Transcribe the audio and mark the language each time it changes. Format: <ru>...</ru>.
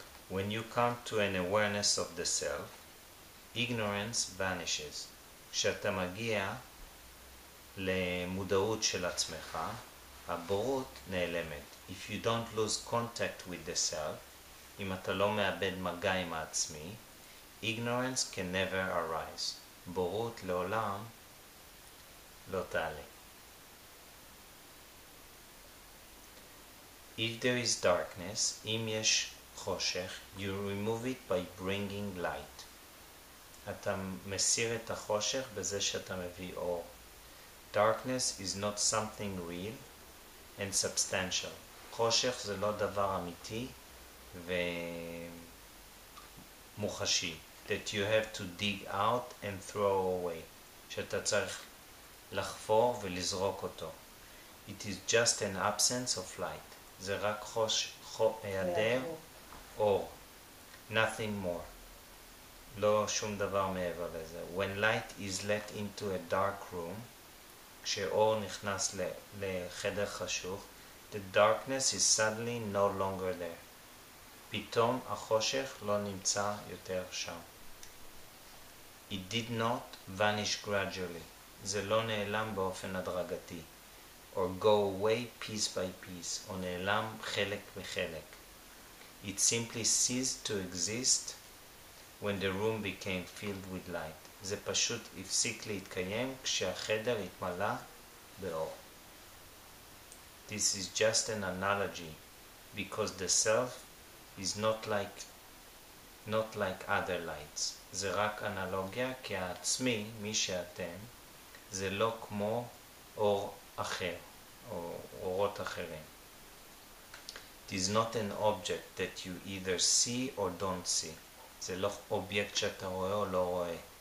<en>When you come to an awareness of the self, ignorance vanishes.</en> <he>כשאתה מגיע למודעות של עצמך, הבורות נעלמת.</he> <en>If you don't lose contact with the self,</en> <he>אם אתה לא מאבד מגע עם העצמי,</he> <en>ignorance can never arise.</en> <he>בורות לעולם לא תעלה.</he> <en>If there is darkness,</en> <he>אם יש חושך,</he> <en>you remove it by bringing light.</en> <he>אתה מסיר את החושך בזה שאתה מביא אור.</he> <en>Darkness is not something real and substantial.</en> <he>חושך זה לא דבר אמיתי ומוחשי.</he> <en>That you have to dig out and throw away.</en> <he>שאתה צריך לחפור ולזרוק אותו.</he> <en>It is just an absence of light.</en> <he>זה רק היעדר אור.</he> <en>Nothing more.</en> <he>לא שום דבר מעבר לזה.</he> <en>When light is let into a dark room,</en> <he>כשאור נכנס לחדר חשוך,</he> <en>the darkness is suddenly no longer there.</en> <he>פתאום החושך לא נמצא יותר שם.</he> <en>It did not vanish gradually.</en> <he>זה לא נעלם באופן הדרגתי.</he> <en>Or go away piece by piece.</en> <he>או נעלם חלק מחלק.</he> <en>It simply ceased to exist when the room became filled with light.</en> <he>זה פשוט הפסיק להתקיים כשהחדר התמלא באור.</he> <en>This is just an analogy because the self is not like other lights.</en> <he>זה רק אנלוגיה כי העצמי, מי שאתם, זה לא כמו אור אחר או אורות אחרים.</he> <en>It is not an object that you either see or don't see.</en> <he>זה לא אובייקט שאתה רואה או לא רואה.</he>